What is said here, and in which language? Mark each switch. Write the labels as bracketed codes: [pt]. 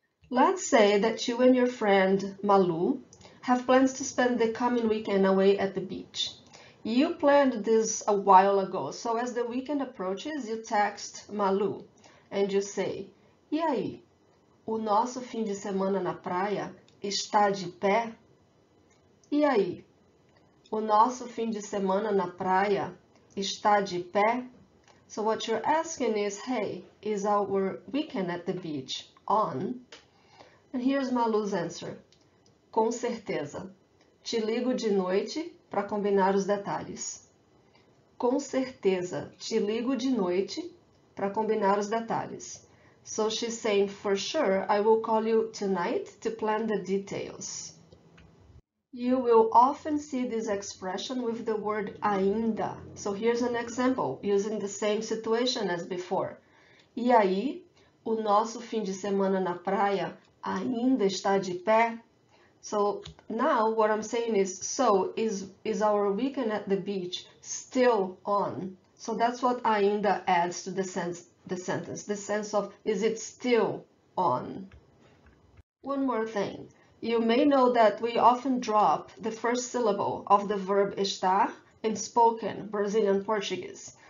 [en] Let's say that you and your friend Malu have plans to spend the coming weekend away at the beach. You planned this a while ago, so as the weekend approaches, you text Malu and you say: [pt] E aí? O nosso fim de semana na praia está de pé? E aí? O nosso fim de semana na praia está de pé? [en] So what you're asking is: Hey, is our weekend at the beach on? And here's Malu's answer. [pt] Com certeza. Te ligo de noite para combinar os detalhes. Com certeza. Te ligo de noite para combinar os detalhes. [en] So she's saying, for sure, I will call you tonight to plan the details. You will often see this expression with the word ainda. So here's an example, using the same situation as before. [pt] E aí, o nosso fim de semana na praia ainda está de pé? [en] So now what I'm saying is, so is our weekend at the beach still on? So that's what ainda adds to the sentence, the sense of is it still on? One more thing. You may know that we often drop the first syllable of the verb estar in spoken Brazilian Portuguese.